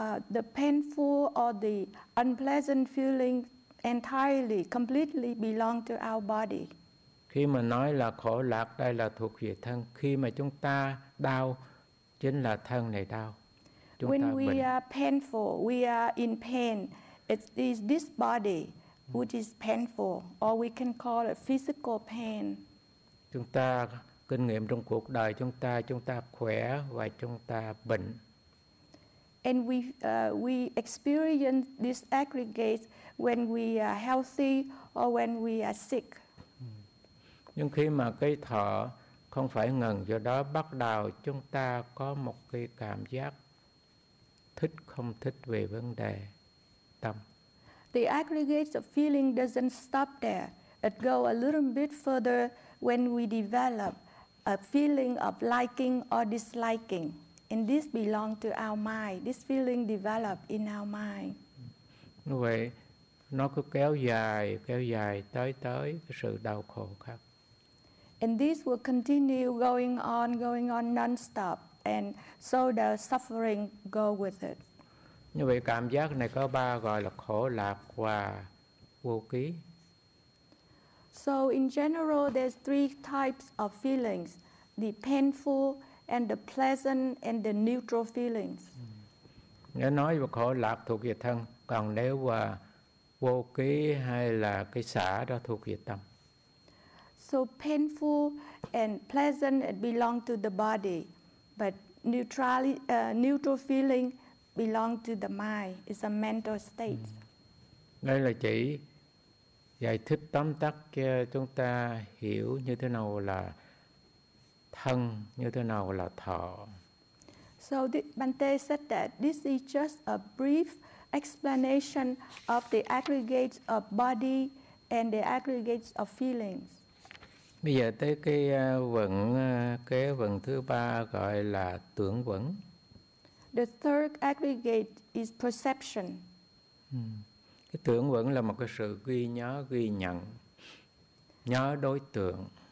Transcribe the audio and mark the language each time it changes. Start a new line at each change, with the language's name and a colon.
English: The painful or the unpleasant feeling entirely, completely belong to our body.
Vietnamese: Khi mà nói là khổ lạc, đây là thuộc về thân. Khi mà chúng ta đau, chính là thân này đau. Chúng
English: When
Vietnamese: ta
English: we
Vietnamese: bệnh.
English: Are painful, we are in pain. It is this body which is painful, or we can call it physical pain.
Vietnamese: Chúng ta kinh nghiệm trong cuộc đời chúng ta khỏe và chúng ta bệnh.
English: And we experience this aggregate when we are healthy or when we are sick.
Vietnamese: Nhưng khi mà cái thọ không phải ngừng, do đó bắt đầu chúng ta có một cái cảm giác thích không thích về vấn đề tâm.
English: The aggregates of feeling doesn't stop there. It go a little bit further when we develop a feeling of liking or disliking. And this belong to our mind. This feeling develop in our mind.
Vietnamese: Vậy nó cứ kéo dài tới cái sự đau khổ khác.
English: And this will continue going on non-stop. And so the suffering go with it.
Vietnamese: Như vậy cảm giác này có ba gọi là khổ lạc và vô ký.
English: So in general there's three types of feelings, the painful and the pleasant and the neutral feelings.
Vietnamese: Nếu nói về khổ lạc thuộc về thân, còn nếu mà vô ký hay là cái xả đó thuộc về tâm.
English: So painful and pleasant it belong to the body, but neutral feeling belong to the mind, is a mental state.
Vietnamese: Đây là chỉ giải thích tóm tắt cho chúng ta hiểu như thế nào là thân, như thế nào là thọ.
English: So Bhante said that this is just a brief explanation of the aggregates of body, and the aggregates of feelings.
Vietnamese: Bây giờ tới cái vận thứ ba gọi là tưởng vận.
English: The third aggregate is perception.
Vietnamese: Cái tưởng vận là một cái sự ghi nhận, nhớ đối tượng.